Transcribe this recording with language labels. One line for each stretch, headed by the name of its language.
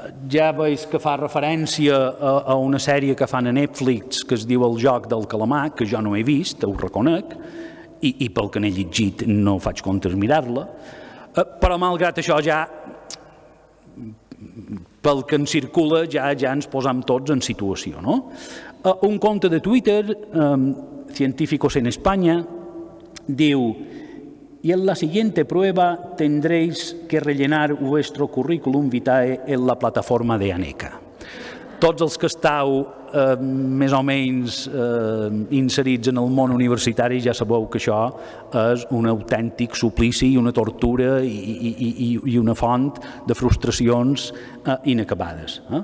Catalan: Ja veus que fa referència a una sèrie que fan a Netflix que es diu El joc del calamar, que jo no he vist, ho reconec, i pel que n'he llegit no faig compte de mirar-la, però malgrat això ja, pel que ens circula, ja ens posam tots en situació. No? Un compte de Twitter,
Spanish: Científicos en España,
Catalan: diu:
Spanish: y en la siguiente prueba tendréis que rellenar vuestro currículum vitae en la plataforma de Aneca.
Catalan: Tots els que estàu més o menys inserits en el món universitari ja sabeu que això és un autèntic suplici, una tortura i una font de frustracions inacabades.